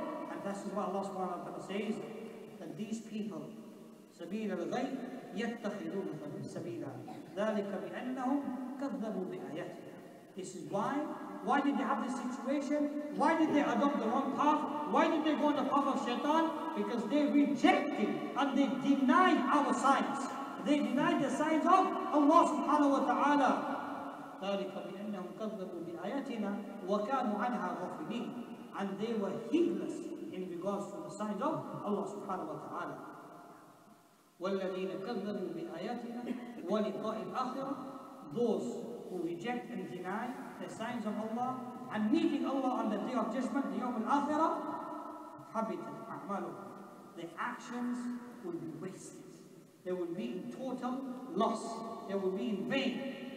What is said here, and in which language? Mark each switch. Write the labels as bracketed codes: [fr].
[en] And this is what Allah subhanahu wa ta'ala says, that these people, [ar] سبيل الغي يتخذون سبيلا ذلك بأنهم كذبوا بآياتنا. [en] This is why. Why did they have this situation? Why did they adopt the wrong path? Why did they go on the path of shaitan? Because they rejected and they denied our signs. They denied the signs of Allah subhanahu wa ta'ala. [ar] ذلك بأنهم كذبوا بآياتنا وكانوا عنها غافلين. [en] And they were heedless in regards to the signs of Allah subhanahu wa ta'ala. [ar] والذين كذبوا بآياتنا ولقاء الآخرة. [en] Those who reject and deny the signs of Allah and meeting Allah on the Day of Judgment, the Yawm al-Akhirah, [ar] habitat a'maluhum, [en] their actions will be wasted. They will be in total loss. They will be in vain.